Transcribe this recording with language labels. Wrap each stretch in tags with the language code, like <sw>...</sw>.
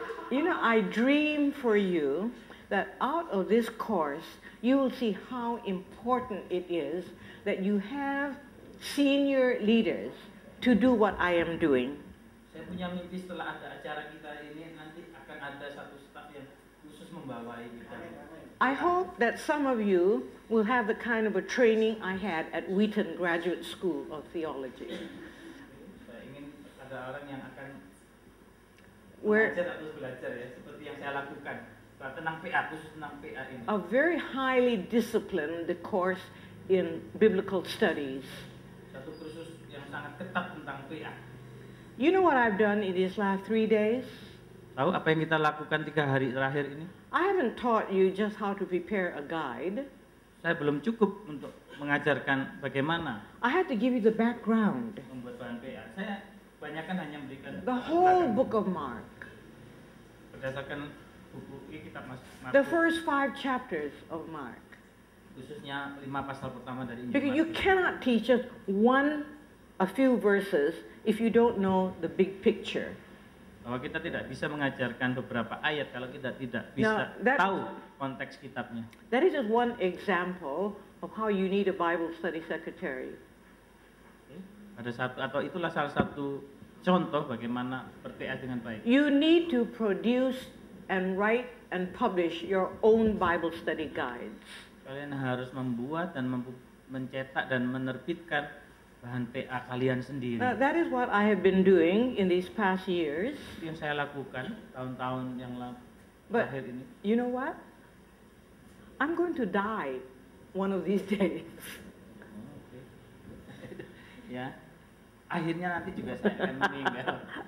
<en>You know, I dream for you that out of this course, you will see how important it is that you have senior leaders to do what I am doing.</en> <id>Saya punya mimpi setelah ada acara kita ini nanti akan ada satu staff yang khusus membawai kita.</id> <en>I hope that some of you will have the kind of a training I had at Wheaton Graduate School of Theology.</en> <id>Saya ingin ada orang yang akan belajar ya seperti yang saya lakukan. Tentang PA, khusus tentang PA ini.</id> <en>A very highly disciplined course in biblical studies.</en> <id>Satu kursus yang sangat ketat tentang PA.</id> <en>You know what I've done in these last 3 days?</en> <id>Tahu apa yang kita lakukan 3 hari terakhir ini?</id> <en>I haven't taught you just how to prepare a guide.</en> <id>Saya belum cukup untuk mengajarkan bagaimana.</id> <en>I had to give you the background.</en> <id>Membuat bahan PA. Saya banyakkan hanya memberikan</id> <en>the whole book of Mark.</en> <id>Berdasarkan buku kitab Mas.</id> <en>The first 5 chapters of Mark.</en> <id>Khususnya 5 pasal pertama dari Injil.</id> <en>Because you cannot teach just a few verses if you don't know the big picture.</en> <id>Bahwa kita tidak bisa mengajarkan beberapa ayat kalau kita tidak bisa tahu konteks kitabnya.</id> <en>That is just one example of how you need a Bible study secretary.</en> <id>Ada satu atau itulah salah satu contoh bagaimana berPA dengan baik.</id> <en>You need to produce and write and publish your own Bible study guides.</en> <id>Kalian harus membuat dan mencetak dan menerbitkan bahan PA kalian sendiri.</id> <en>That is what I have been doing in these past years.</en> <id>Yang saya lakukan tahun-tahun yang terakhir ini.</id> <en>You know what? I'm going to die one of these days. Okay. Ya.</en> <id>Akhirnya nanti juga saya akan meninggal.</id>